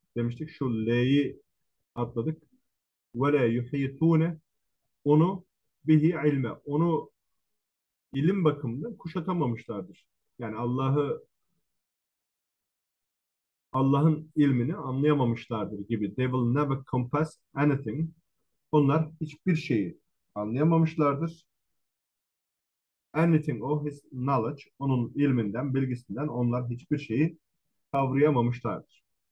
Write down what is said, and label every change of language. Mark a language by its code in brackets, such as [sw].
[tr] Demiştik, şu L'yi atladık. Ve la yuhitune, onu bihi ilme, onu ilim bakımından kuşatamamışlardır. Yani Allah'ı Allah'ın ilmini anlayamamışlardır gibi. [en] They will never compass anything. [tr] Onlar hiçbir şeyi anlayamamışlardır. [en] Anything of his knowledge, [tr] onun ilminden, bilgisinden onlar hiçbir şeyi kavrayamamışlardır.